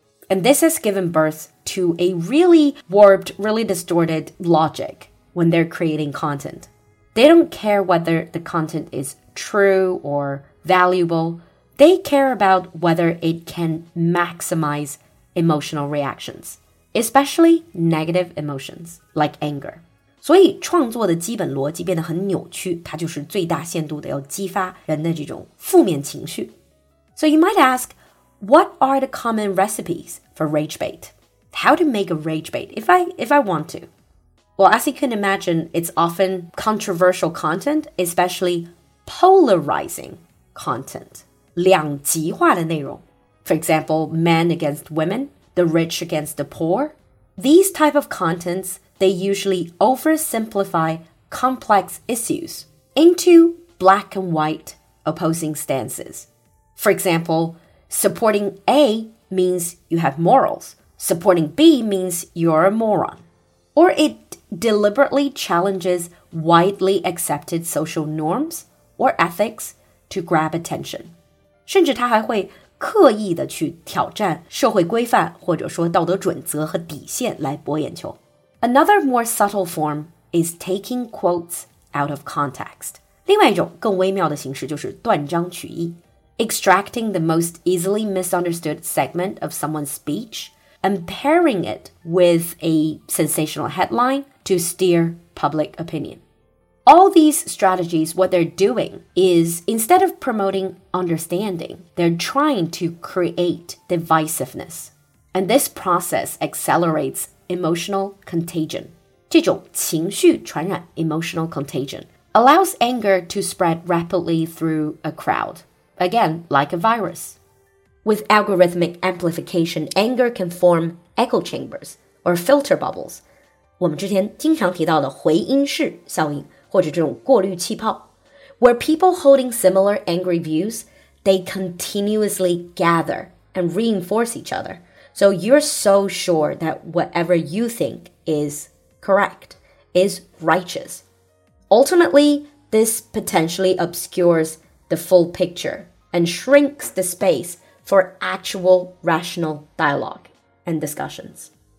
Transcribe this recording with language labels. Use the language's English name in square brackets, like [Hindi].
[English] And this has given birth to a really warped, really distorted logic when they're creating content. They don't care whether the content is true or valuable. They care about whether it can maximize emotional reactions, especially negative emotions like anger. [Chinese] 所以创作的基本逻辑变得很扭曲，它就是最大限度地要激发人的这种负面情绪。 [English] So you might ask, what are the common recipes for rage bait? How to make a rage bait if I want to? Well, as you can imagine, it's often controversial content, especially polarizing content, [Chinese] 两极化的内容。 [English] For example, men against women, the rich against the poor. These type of contents, they usually oversimplify complex issues into black and white opposing stances. For example, supporting A means you have morals. Supporting B means you're a moron. Or it deliberately challenges widely accepted social norms or ethics to grab attention. [Chinese] 甚至他还会刻意的去挑战社会规范或者说道德准则和底线来博眼球。 [English] Another more subtle form is taking quotes out of context. [Chinese] 另外一种更微妙的形式就是断章取义。 [English] Extracting the most easily misunderstood segment of someone's speech and pairing it with a sensational headline to steer public opinion. All these strategies, what they're doing is instead of promoting understanding, they're trying to create divisiveness. And this process accelerates emotional contagion. [Chinese] 这种情绪传染 [English] emotional contagion allows anger to spread rapidly through a crowd. Again, like a virus. With algorithmic amplification, anger can form echo chambers or filter bubbles. [Chinese] 我们之前经常提到的回音室效应或者这种过滤气泡 [English] where people holding similar angry views, they continuously gather and reinforce each other. So you're so sure that whatever you think is correct, is righteous. Ultimately, this potentially obscures the full picture and shrinks the space for actual rational dialogue and discussions.